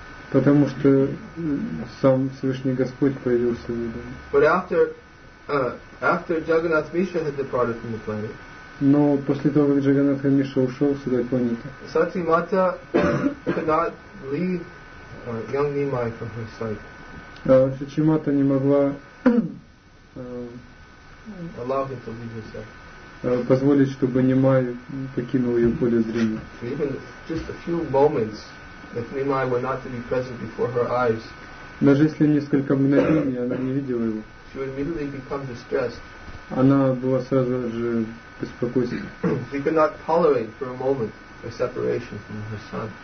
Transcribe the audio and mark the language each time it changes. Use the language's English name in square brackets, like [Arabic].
[Russian] Потому что сам Всевышний Господь появился в ее доме. [English] But after Jagannath Mishra had departed from the planet, [Russian] но после того, как Джагнат Мишра ушел с этой планеты, [English] Сати Мата could not leave young Nimai from her sight. [Russian] Сати Мата не могла [English] allow him to leave herself. [Russian] Позволить, чтобы Нимай покинул ее поле зрения. [English] Even just a few moments, if Nimai were not to be present before her eyes, [Russian] даже если несколько мгновений она не видела его, [English] she would immediately become distressed. [Russian] Она была сразу же беспокойна. [English] She could not tolerate for a moment a separation from her son.